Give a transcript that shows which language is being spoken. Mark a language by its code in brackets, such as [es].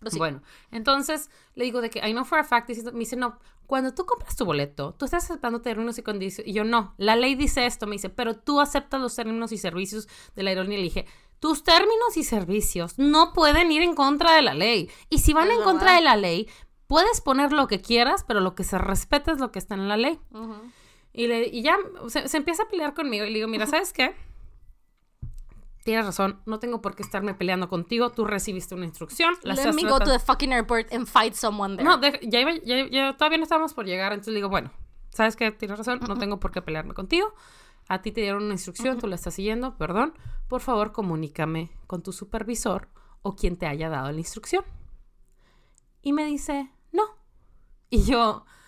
[es] Bueno, entonces le digo de que [en] I know for a fact, [es] me dice, no, cuando tú compras tu boleto, tú estás aceptando términos y condiciones, y yo no, la ley dice esto, me dice, pero tú aceptas los términos y servicios de la aerolínea, y le dije, tus términos y servicios no pueden ir en contra de la ley, y si van en contra de la ley, puedes poner lo que quieras, pero lo que se respeta es lo que está en la ley, y ya se empieza a pelear conmigo, y le digo, mira, ¿sabes qué? Tienes razón, no tengo por qué estarme peleando contigo. Tú recibiste una instrucción. [en] Let me go to the fucking airport and fight someone there. [es] No, ya todavía no estábamos por llegar. Entonces le digo, bueno, ¿sabes qué? Tienes razón, no tengo por qué pelearme contigo. A ti te dieron una instrucción, tú la estás siguiendo, perdón. Por favor, comunícame con tu supervisor o quien te haya dado la instrucción. Y me dice, no. Y yo...